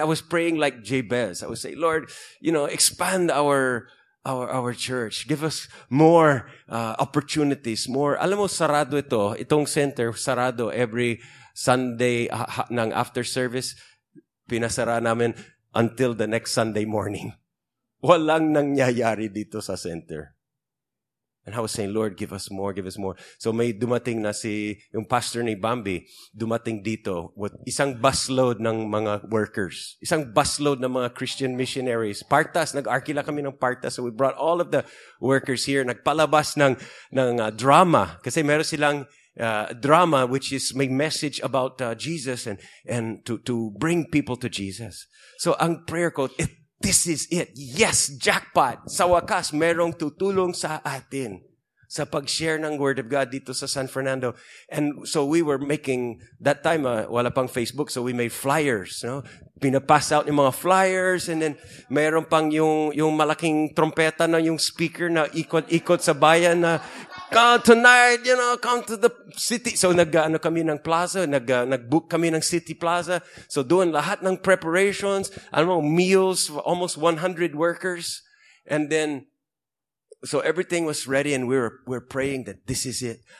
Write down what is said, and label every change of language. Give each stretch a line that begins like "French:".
English: I was praying like Jabez. I was saying, Lord, you know, expand our church. Give us more opportunities, more.
Filipino: Alam mo, sarado ito. Itong center, sarado
English: every Sunday
Filipino: ng
English: after service.
Filipino: Pinasara namin until the next Sunday morning. Walang nangyayari dito sa center.
English: And I was saying, Lord, give us more, give us more.
Filipino: So may dumating na si, yung pastor ni Bambi, dumating dito with isang busload ng mga workers, isang busload ng mga Christian missionaries. Partas, nag-arkila kami ng partas.
English: So we brought all of the workers here.
Filipino: Nagpalabas ng drama. Kasi meron silang drama
English: which is may message about Jesus and to bring people to Jesus. So
Filipino: ang prayer ko,
English: this is it. Yes, jackpot.
Filipino: Sa wakas, merong tutulong sa atin sa pag-share ng Word of God dito sa San Fernando.
English: And so we were making, that time,
Filipino: wala pang Facebook,
English: so we made flyers. No?
Filipino: Pinapass out yung mga flyers,
English: and then
Filipino: meron pang yung malaking trompeta na yung speaker na ikot-ikot sa bayan na
English: come tonight, you know, come to the city.
Filipino: So nag-ano kami ng plaza, nag-book kami ng city plaza.
English: So doing
Filipino: lahat ng
English: preparations, ano, meals for almost 100 workers. And then, so everything was ready and we're praying that this is it.